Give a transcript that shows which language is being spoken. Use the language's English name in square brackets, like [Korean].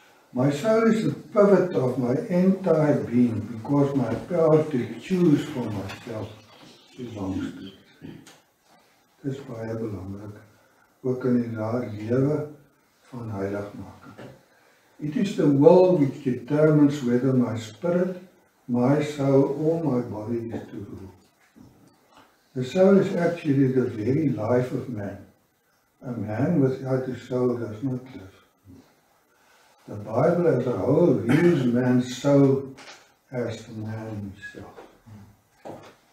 [English] My soul is the pivot of my entire being, because my power to choose for myself is belongs to it. [Afrikaans] Dit is baie belangrik, ook in die raar lewe van heiligmaking. [English] It is the will which determines whether my spirit, my soul or my body is to rule. The soul is actually the very life of man. A man without a soul does not live. The Bible as a whole views man's soul as the man himself.